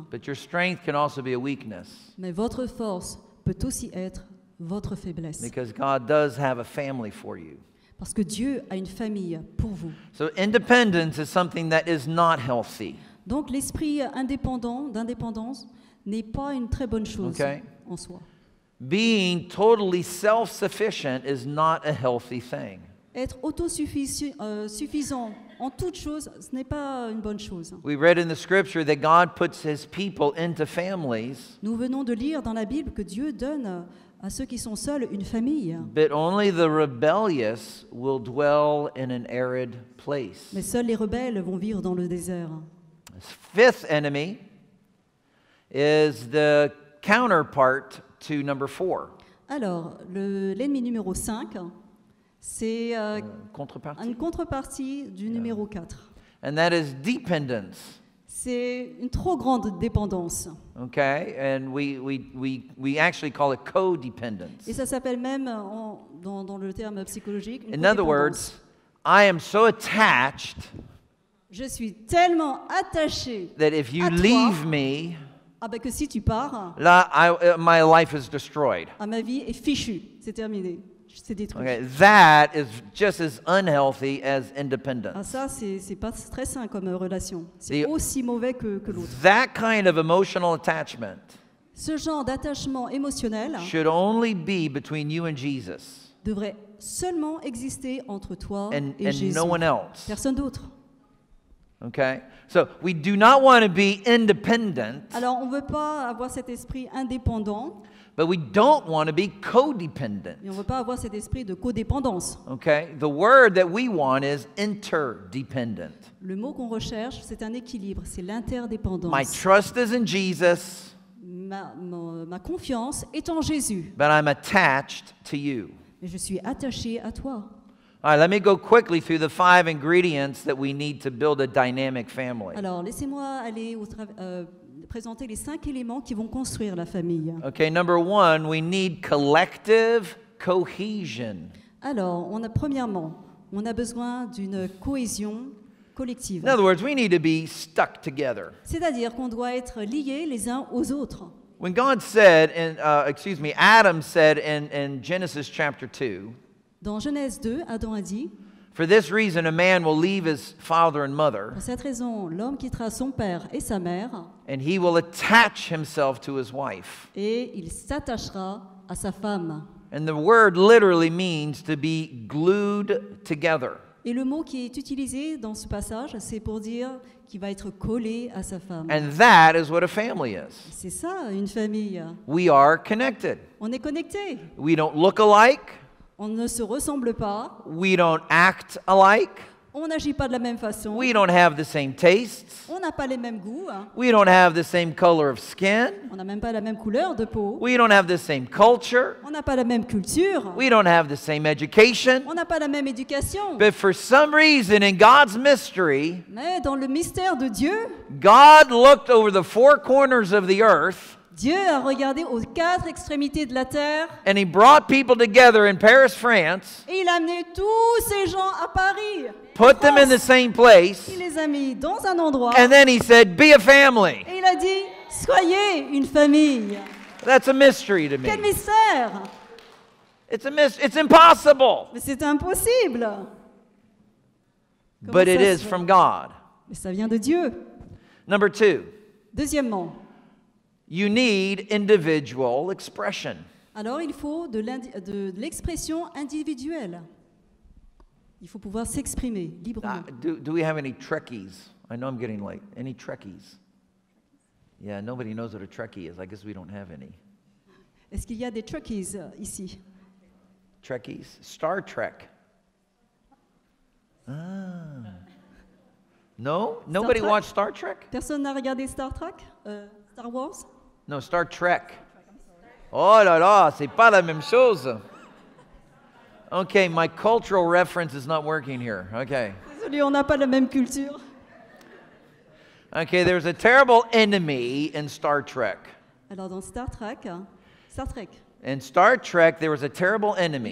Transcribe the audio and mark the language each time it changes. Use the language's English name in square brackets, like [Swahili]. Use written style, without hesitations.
[English] But your strength can also be a weakness. [French] Mais votre force peut aussi être votre faiblesse. [English] Because God does have a family for you. [French] Parce que Dieu a une famille pour vous. [English] So independence is something that is not healthy. [French] Donc l'esprit indépendant, d'indépendance, n'est pas une très bonne chose [English] okay. [French] en soi. [English] Being totally self-sufficient is not a healthy thing. [French] Être autosuffisant en toute chose, ce n'est pas une bonne chose. [English] We read in the scripture that God puts his people into families. [French] Nous venons de lire dans la Bible que Dieu donne à ceux qui sont seuls, une famille. [English] But only the rebellious will dwell in an arid place. [French] Mais seuls les rebelles vont vivre dans le désert. [English] Fifth enemy is the counterpart to number four. [French] Alors, l'ennemi numéro 5, c'est une contrepartie du numéro 4. [English] And that is dependence. [French] C'est une trop grande dépendance. [English] Okay, and we actually call it codependence. [French] Et ça s'appelle même dans le terme psychologique. [English] In other words, I am so attached. [French] Je suis tellement attaché. [English] That if you leave me, [French] ah ben que si tu pars, là, [English] my life is destroyed. [French] Ah, ma vie est fichue, c'est terminé. [English] Okay, that is just as unhealthy as independence. [French] Ah, ça, c'est pas très sain comme relation. C'est aussi mauvais que l'autre. [English] That kind of emotional attachment. [French] Ce genre d'attachement émotionnel. [English] Should only be between you and Jesus. [French] Devrait seulement exister entre toi et Jésus. [English] And no one else. [French] Personne d'autre. [English] Okay. So we do not want to be independent. [French] Alors, on veut pas avoir cet esprit indépendant. [English] But we don't want to be codependent. [French] Et on veut pas avoir cet esprit de codépendance. [English] Okay. The word that we want is interdependent. [French] Le mot qu'on recherche, c'est un équilibre, c'est l'interdépendance. [English] My trust is in Jesus. [French] Ma confiance est en Jésus. [English] But I'm attached to you. [French] Mais je suis attaché à toi. [English] All right, let me go quickly through the five ingredients that we need to build a dynamic family. [French] Alors, laissez-moi aller présenter les cinq éléments qui vont construire la famille. [English] Okay, number one, we need collective cohesion. [French] Alors, on a besoin d'une cohésion collective. [English] In other words, we need to be stuck together. [French] C'est-à-dire qu'on doit être liés les uns aux autres. [English] When God said, Adam said in Genesis chapter 2, [French] Dans Genèse 2, Adam a dit, [English] for this reason, a man will leave his father and mother. [French] Pour cette raison, l'homme quittera son père et sa mère. [English] And he will attach himself to his wife. [French] Et il s'attachera à sa femme. [English] And the word literally means to be glued together. [French] Et le mot qui est utilisé dans ce passage, c'est pour dire qu'il va être collé à sa femme. [English] And that is what a family is. [French] C'est ça, une famille. [English] We are connected. [French] On est connecté. [English] We don't look alike. [French] On ne se ressemble pas. [English] We don't act alike. [French] On n'agit pas de la même façon. [English] We don't have the same tastes. [French] On n'a pas les mêmes goûts. [English] We don't have the same color of skin. [French] On n'a même pas la même couleur de peau. [English] We don't have the same culture. [French] On n'a pas la même culture. [English] We don't have the same education. [French] On n'a pas la même éducation. [English] But for some reason, in God's mystery, [French] mais dans le mystère de Dieu, [English] God looked over the four corners of the earth. [French] Dieu a regardé aux quatre extrémités de la terre. [English] And he brought people together in Paris, France. [French] Et il a amené tous ces gens à Paris. [English] Put them in the same place. [French] Il les a mis dans un endroit. [English] And then he said, be a family. [French] Et il a dit, soyez une famille. [English] That's a mystery to me. [French] Quel mystère. [English] It's impossible. [French] Mais c'est impossible. [English] But it is from God. [French] Mais ça vient de Dieu. [English] Number two. [French] Deuxièmement. [English] You need individual expression. [French] Alors il faut de l'expression individuelle. Il faut pouvoir s'exprimer librement. [English] Do we have any Trekkies? I know I'm getting late. Any Trekkies? Yeah, nobody knows what a Trekkie is. I guess we don't have any. [French] Est-ce qu'il y a des Trekkies ici? [English] Trekkies? Star Trek. Ah. No? Nobody watched Star Trek? [French] Personne n'a regardé Star Trek? Star Wars? [English] No, Star Trek. [French] Oh là là, c'est pas la même chose. [English] Okay, my cultural reference is not working here. Okay. [French] Désolé, on n'a pas la même culture. [English] Okay, there's a terrible enemy in Star Trek. [French] Alors dans Star Trek, Star Trek. [English] In Star Trek, there was a terrible enemy.